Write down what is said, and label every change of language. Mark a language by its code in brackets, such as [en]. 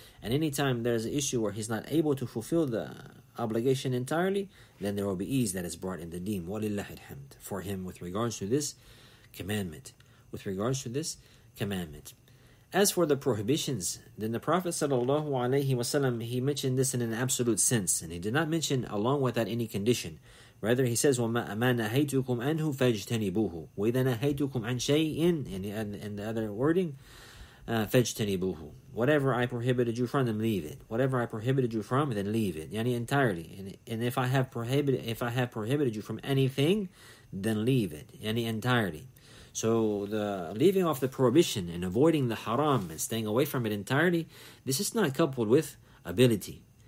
[en] And anytime there's an issue where he's not able to fulfill the obligation entirely, then there will be ease that is brought in the deen. Walillahil hamd. For him with regards to this commandment. With regards to this commandment. As for the prohibitions, then the Prophet sallallahu alayhi wasallam, he mentioned this in an absolute sense. And he did not mention along with that any condition. Rather, he says, [ar] وَمَا نَهَيْتُكُمْ أَنْهُ فَاجْتَنِبُوهُ وَإِذَا نَهَيْتُكُمْ عَنْ شَيْءٍ. [en] In the other wording, فَاجْتَنِبُوهُ. Whatever I prohibited you from, then leave it. Whatever I prohibited you from, then leave it. Yani entirely. And if I have prohibited you from anything, then leave it. Yani entirely. So the leaving off the prohibition and avoiding the haram and staying away from it entirely, this is not coupled with ability.